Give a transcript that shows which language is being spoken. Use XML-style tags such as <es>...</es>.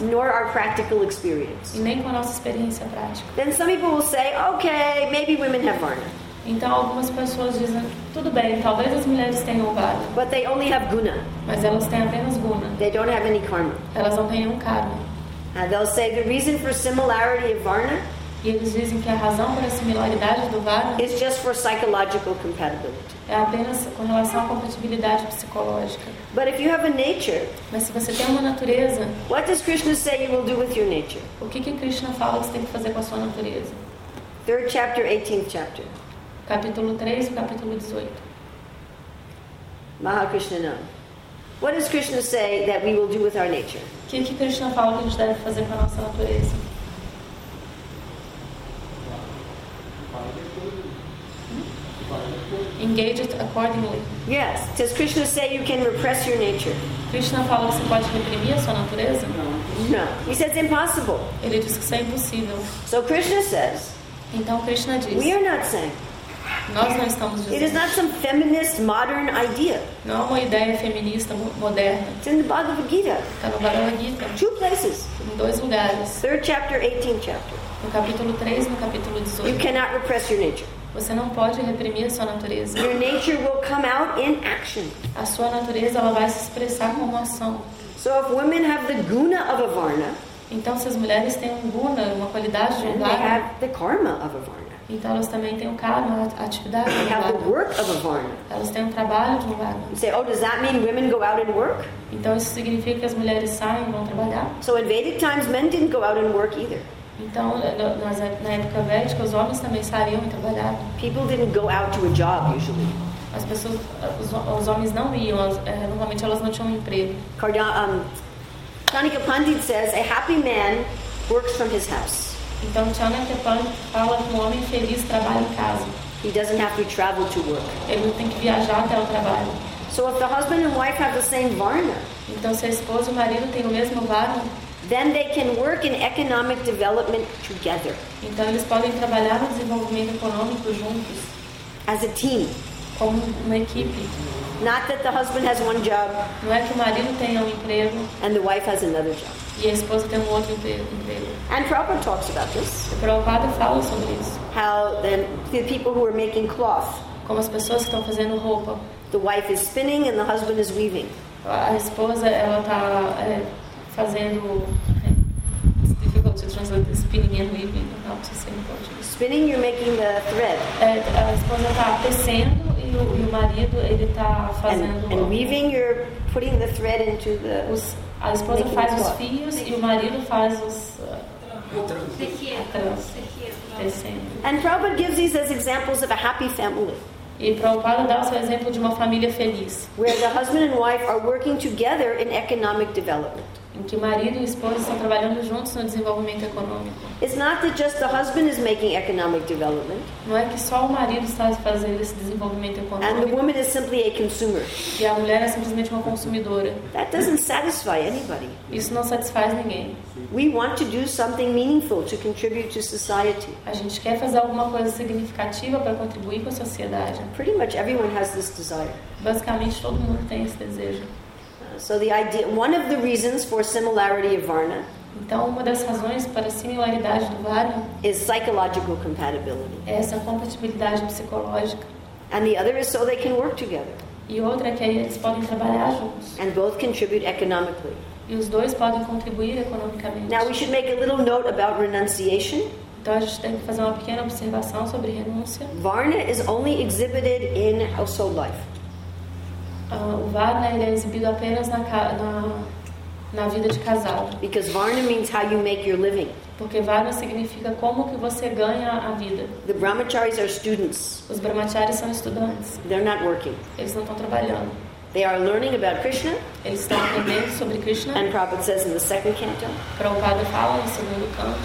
<en>Nor our practical experience.</en> <pt>E nem com a nossa experiência prática.</pt> <en>Then some people will say, okay, maybe women have varna.</en> <pt>Então algumas pessoas dizem, tudo bem, talvez as mulheres tenham varna.</pt> <en>But they only have guna.</en> <pt>Mas elas têm apenas guna.</pt> <en>They don't have any karma.</en> <pt>Elas não têm nenhum karma.</pt> <en>And they'll say the reason for similarity of varna,</en> <pt>e eles dizem que a razão para a similaridade do varna</pt> <en>is just for psychological compatibility.</en> <pt>É apenas com relação à compatibilidade psicológica.</pt> <en>But if you have a nature,</en> <pt>mas se você tem uma natureza,</pt> <en>what does Krishna say you will do with your nature?</en> <pt>O que que Krishna fala que você tem que fazer com a sua natureza?</pt> <en>Third chapter, 18th chapter.</en> <pt>Capítulo 3, capítulo 18. Mahakrishna.</pt> <en>What does Krishna say that we will do with our nature?</en> <pt>O que que Krishna fala que a gente deve fazer com a nossa natureza?</pt> <en>Engage it accordingly. Yes. Does Krishna say you can repress your nature?</en> <pt>Krishna fala que você pode reprimir a sua natureza?</pt> <en>No. He says it's impossible.</en> <pt>Ele diz que isso é impossível.</pt> <en>So Krishna says.</en> <pt>Então Krishna diz.</pt> <en>We are not saying.</en> <pt>Nós não estamos dizendo.</pt> <en>It is not some feminist modern idea.</en> <pt>Não é uma ideia feminista moderna.</pt> <en>It's in the Bhagavad Gita.</en> <pt>Está no Bhagavad Gita.</pt> <en>Two places.</en> <pt>Em dois lugares.</pt> <en>Third chapter, 18th chapter.</en> <pt>No capítulo 3, no capítulo 18.</pt> <en>You cannot repress your nature.</en> <pt>Você não pode reprimir a sua natureza.</pt> <en>Your nature will come out in action.</en> <pt>A sua natureza ela vai se expressar como uma ação.</pt> <en>So if women have the guna of a varna,</en> <pt>então se as mulheres têm um guna, uma qualidade de um varna,</pt> <en>they have the karma of a varna.</en> <pt>Então elas também têm o karma, a atividade do varna.</pt> <en>Work of a varna.</en> <pt>Elas têm um trabalho de um varna.</pt> <en>Say, oh, does that mean women go out and work?</en> <pt>Então isso significa que as mulheres saem e vão trabalhar?</pt> <en>So in Vedic times, men didn't go out and work either.</en> <pt>Então na época védica os homens também saíam e trabalhavam.</pt> <en>People didn't go out to a job usually.</en> <pt>As pessoas, os homens não iam. Normalmente elas não tinham um emprego.</pt> <en>Chanakya Pandit says a happy man works from his house.</en> <pt>Então Chanakya Pandit fala que um homem feliz trabalha em casa.</pt> <en>He doesn't have to travel to work.</en> <pt>Ele não tem que viajar até o trabalho.</pt> <en>So if the husband and wife have the same varna,</en> <pt>então se a esposa e o marido têm o mesmo varna,</pt> <en>then they can work in economic development together.</en> <pt>Então eles podem trabalhar no desenvolvimento econômico juntos.</pt> <en>As a team.</en> <pt>Como uma equipe.</pt> <en>Not that the husband has one job.</en> <pt>Não é que o marido tenha emprego.</pt> <en>And the wife has another job.</en> <pt>E a esposa tem outro emprego.</pt> <en>And Prabhupada talks about this.</en> <pt>E Prabhupada fala sobre isso.</pt> <en>How the people who are making cloth.</en> <pt>Como as pessoas que estão fazendo roupa.</pt> <en>The wife is spinning and the husband is weaving.</en> <pt>A esposa ela está fazendo.</pt> <en>It's difficult to translate this. Spinning and weaving.</en> <pt>Não precisa ser em português.</pt> <en>Spinning, you're making the thread.</en> <pt>A esposa está tecendo e o marido ele está fazendo.</pt> <en>And weaving, you're putting the thread into the.</en> <pt>A esposa faz os fios e o marido faz os</pt> <en>And Prabhupada gives these as examples of a happy family.</en> <pt>E Prabhupada dá o seu exemplo de uma família feliz.</pt> <en>Where the husband and wife are working together in economic development.</en> <pt>Em que o marido e a esposa estão trabalhando juntos no desenvolvimento econômico.</pt> <en>It's not that just the husband is making economic development.</en> <pt>Não é que só o marido está fazendo esse desenvolvimento econômico.</pt> <en>And the woman is simply a consumer.</en> <pt>E a mulher é simplesmente uma consumidora.</pt> <en>That doesn't satisfy anybody.</en> <pt>Isso não satisfaz ninguém.</pt> <en>We want to do something meaningful to contribute to society.</en> <pt>A gente quer fazer alguma coisa significativa para contribuir com a sociedade.</pt> <en>Pretty much everyone has this desire.</en> <pt>Basicamente todo mundo tem esse desejo.</pt> <en>So the idea, one of the reasons for similarity of varna,</en> <pt>então uma das razões para a similaridade do varna,</pt> <en>is psychological compatibility.</en> <pt>É essa compatibilidade psicológica.</pt> <en>And the other is so they can work together.</en> <pt>E outra é que eles podem trabalhar juntos.</pt> <en>And both contribute economically.</en> <pt>E os dois podem contribuir economicamente.</pt> <en>Now we should make a little note about renunciation.</en> <pt>Então a gente tem que fazer uma pequena observação sobre renúncia.</pt> <en>Varna is only exhibited in household life.</en> <pt>O varna ele é exibido apenas na vida de casal.</pt> <en>Because varna means how you make your living.</en> <pt>Porque varna significa como que você ganha a vida.</pt> <en>The brahmacharis are students.</en> <pt>Os brahmacharis são estudantes.</pt> <en>They're not working.</en> <pt>Eles não estão trabalhando.</pt> <en>They are learning about Krishna.</en> <pt>Eles estão aprendendo sobre Krishna.</pt> <en>And Prabhupada says in the second canto.</en> <pt>Prabhupada fala no segundo canto.</pt>